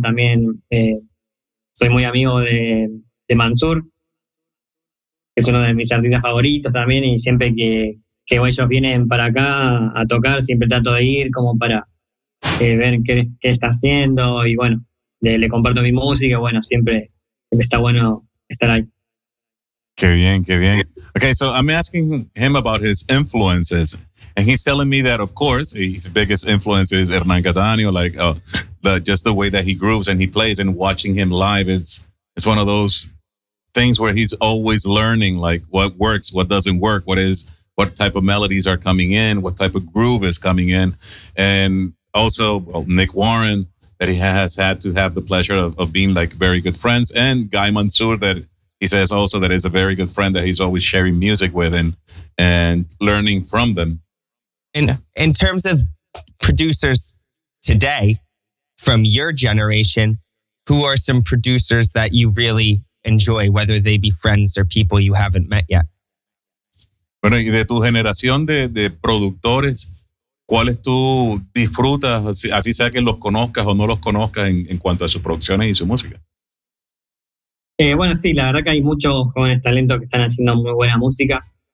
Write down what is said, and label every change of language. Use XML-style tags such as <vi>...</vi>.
<es>También soy muy amigo de Mansur, que es uno de mis artistas favoritos también, y siempre que ellos vienen para acá a tocar, siempre trato de ir como para ver qué está haciendo, y bueno, le comparto mi música. Bueno, siempre está bueno estar ahí. Qué bien, qué bien.</es> <en>Okay, so I'm asking him about his influences, and he's telling me that, of course, his biggest influence is Hernán Cattaneo, like just the way that he grooves and he plays, and watching him live, it's one of those things where he's always learning, like what works, what doesn't work, what type of melodies are coming in, what type of groove is coming in. And also, well, Nick Warren, that he has had to have the pleasure of being like very good friends, and Guy Mansur, that he says also that he's a very good friend that he's always sharing music with and learning from them. And in terms of producers today from your generation, who are some producers that you really enjoy, whether they be friends or people you haven't met yet?</en> <es>Bueno, y de tu generación de productores, ¿cuáles tú disfrutas, así sea que los conozcas o no los conozcas, en cuanto a sus producciones y su música? Bueno, sí, la verdad que hay muchos jóvenes talentos que están haciendo muy buena música.</es>